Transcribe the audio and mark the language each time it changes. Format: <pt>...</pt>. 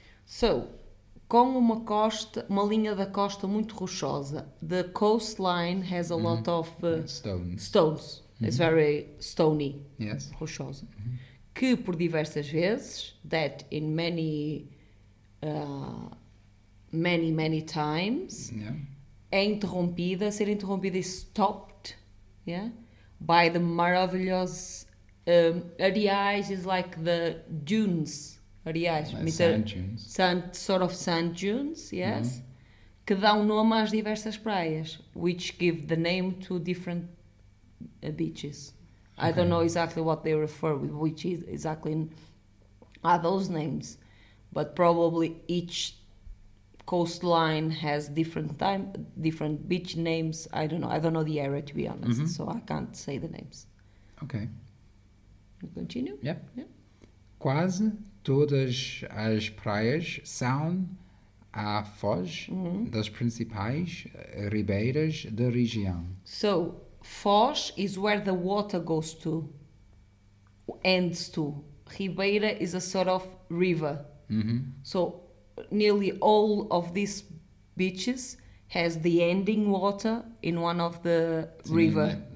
<pt>So, com uma costa, uma linha da costa muito rochosa.</pt> <en>The coastline has a lot of stones. Mm-hmm. It's very stony. Yes.</en> <pt>Rochosa. Mm-hmm. Que por diversas vezes,</pt> <en>that in many... many times yeah.</en> <pt>é interrompida, ser interrompida</pt> <en>is stopped, yeah, by the</en> <pt>maravilhosos areais</pt> <en>is like the dunes, areais, like sand dunes, sand dunes, yes,</en> <pt>que dão nome às diversas praias,</pt> <en>which give the name to different beaches. Okay. I don't know exactly what they refer with, which is exactly are those names. But probably each coastline has different beach names. I don't know. I don't know the area, to be honest. Mm-hmm. So I can't say the names. Okay. We continue? Yeah. Yeah.</en> <pt>Quase todas as praias são a foz mm-hmm. das principais ribeiras da região.</pt> <en>So, foz is where the water goes to, ends to. Ribeira is a sort of river. Mm-hmm. So nearly all of these beaches has the ending water in one of the river.</en>